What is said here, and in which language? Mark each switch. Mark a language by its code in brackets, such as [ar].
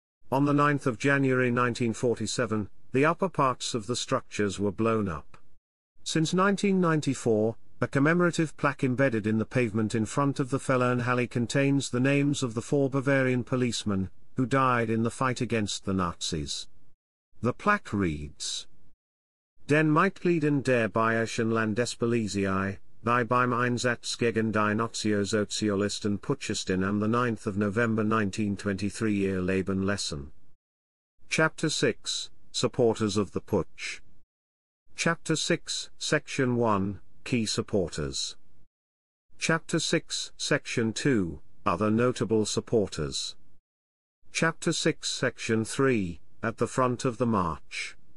[en] On the 9th of January 1947, the upper parts of the structures were blown up. Since 1994, a commemorative plaque embedded in the pavement in front of the Feldherrnhalle contains the names of the four Bavarian policemen who died in the fight against the Nazis. The plaque reads: [de] Den Mitgliedern der Bayerischen Landespolizei, die beim Einsatz gegen die Nationalsozialisten Putschisten am 9 November 1923 ihr Leben lassen. [en] Chapter 6, Supporters of the Putsch. Chapter 6, Section 1, Key Supporters. Chapter 6, Section 2, Other Notable Supporters. Chapter 6, Section 3, At the Front of the March.